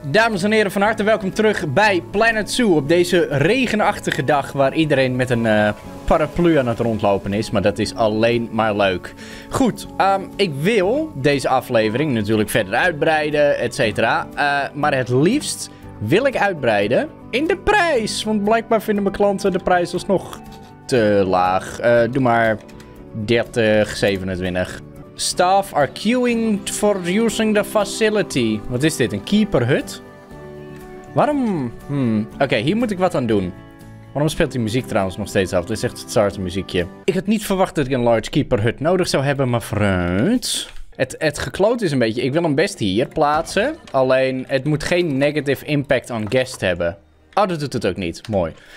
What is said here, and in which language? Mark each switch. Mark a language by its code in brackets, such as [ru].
[nl] Dames en heren, van harte welkom terug bij Planet Zoo op deze regenachtige dag waar iedereen met een paraplu aan het rondlopen is, maar dat is alleen maar leuk. Goed, ik wil deze aflevering natuurlijk verder uitbreiden, et cetera, maar het liefst wil ik uitbreiden in de prijs, want blijkbaar vinden mijn klanten de prijs alsnog te laag. Doe maar 30, 27. [en] Staff are queuing for using the facility. [nl] Wat is dit? Een keeperhut? Waarom? Oké, hier moet ik wat aan doen. Waarom speelt die muziek trouwens nog steeds af? Dit is echt het zarte muziekje. Ik had niet verwacht dat ik een large keeperhut nodig zou hebben, maar vooruit. Het gekloot is een beetje. Ik wil hem best hier plaatsen. Alleen, het moet geen [en] negative impact on guest [nl] hebben. Oh, dat doet het ook niet. Mooi.